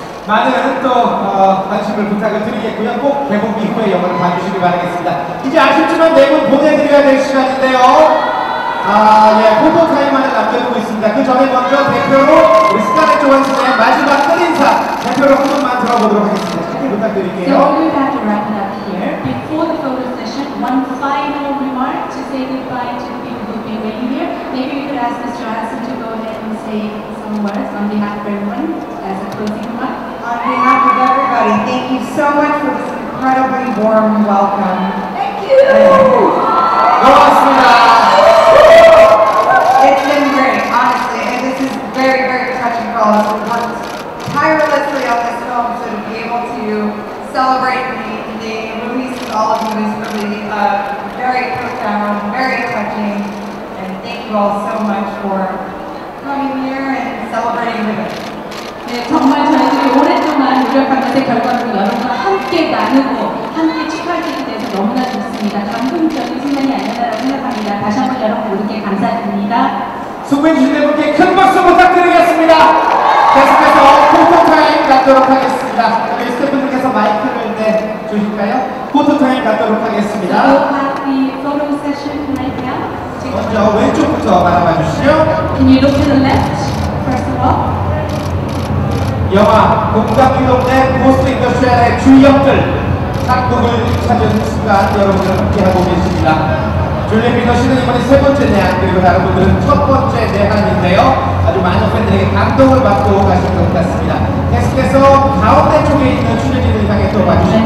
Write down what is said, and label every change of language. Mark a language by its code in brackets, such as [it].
[ko] 많은 또 관심을 부탁을 드리겠고요. 꼭 개봉 이후에 영화를 봐주시길 바라겠습니다. 이제 아쉽지만 네 분 보내드려야 될 시간인데요. 아, 예, 포토 타임만을 남겨두고 있습니다. 그 전에 먼저 대표로 우리 스카렛 조한슨의 마지막 큰 인사 대표로 한 번만 들어보도록 하겠습니다. 짧게 부탁드릴게요. [en] So we have to wrap it up here. Before the photo session, one final remark to say goodbye to the people who've been waiting here. Maybe you could ask Mr. Johnson to go ahead and say some words on behalf of everyone as a closing remark. On behalf of everybody, thank you so much for this incredibly warm welcome. Thank you! And, it's been great, honestly, and this is very, very touching for all of us. We've worked tirelessly on this film, so to be able to celebrate the movies with all of you is really very profound, very touching, and thank you all so much for coming here and celebrating with us. [ko] 네, 정말 저희들이 오랫동안 노력한 것의 결과로 여러분과 함께 나누고 함께 축하할 수 있게 돼서 너무나 좋습니다. 감동적인 순간이 아니었다고 생각합니다. 다시 한번 여러분 모두께 감사드립니다. 수고해주신 분께 큰 박수 부탁드리겠습니다. 계속해서 포토타임 갖도록 하겠습니다. 우리 스태프분께서 마이크를 내주실까요? 포토타임 갖도록 하겠습니다. 먼저 왼쪽부터 바라봐 주시죠. [en] Can you look to the left, first of all? [ko] 영화 공감기 동네 포스트 인더스트리의 주역들 각국을 찾은 순간 여러분들과 함께하고 계십니다. 줄리 피너 씨는 이번에 세 번째 내한 그리고 다른 분들은 첫 번째 내한인데요. 아주 많은 팬들에게 감동을 받고 가실 것 같습니다. 계속해서 가운데 쪽에 있는 출연진을 향해 또 봐주실까요?